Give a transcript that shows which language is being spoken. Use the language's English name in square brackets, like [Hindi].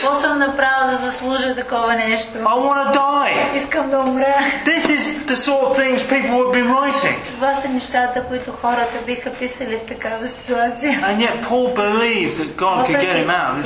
[Bulgarian] Какво съм направил да заслужа такова нещо? [English] I want to die. [Bulgarian] Искам да умра. [English] This is the sort of things people would be writing. [Bulgarian] Това са нещата, които хората биха писали в такава ситуация. [English] And yet Paul believed that God could get him out.